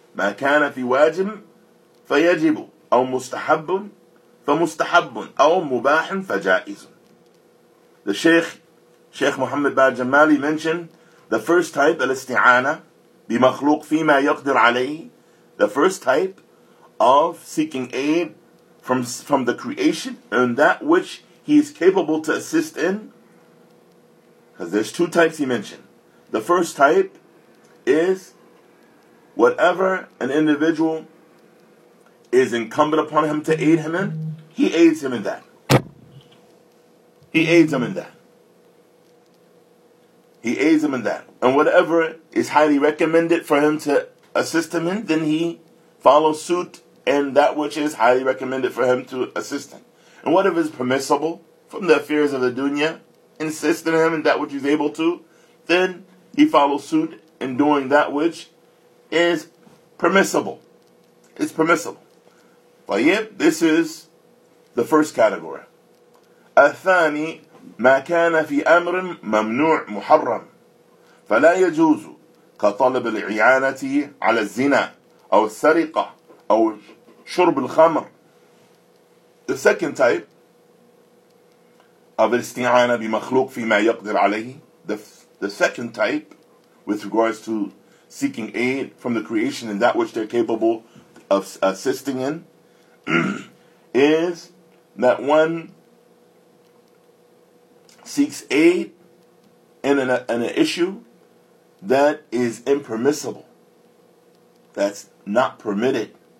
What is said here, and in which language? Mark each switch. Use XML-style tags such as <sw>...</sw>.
<ar>ما كان في واجب فيجب أو مستحب فمستحب أو مباح فجائز.</ar> <en>The Shaykh Muhammad Ba'al Jamali mentioned the first type,</en> <ar>al-isti'ana, bi-makhluq fima yaqdir alayhi,</ar> <en>the first type of seeking aid from the creation and that which he is capable to assist in. Because there's two types he mentioned. The first type is whatever an individual is incumbent upon him to aid him in, he aids him in that. He aids him in that. He aids him in that. And whatever is highly recommended for him to assist him in, then he follows suit in that which is highly recommended for him to assist him. And whatever is permissible from the affairs of the dunya, insist in him in that which he's able to, then he follows suit in doing that which is permissible. It's permissible. But yet, this is the first category.</en> <ar>الثاني ما كان في أمر ممنوع محرم فلا يجوز كطلب الإعانة على الزنا أو السرقة أو شرب الخمر.</ar> <en>The second type of</en> <ar>الاستعانة بمخلوق فيما يقدر عليه.</ar> <en>The second type with regards to seeking aid from the creation and that which they're capable of assisting in is that one seeks aid in an issue that is impermissible, that's not permitted.</en>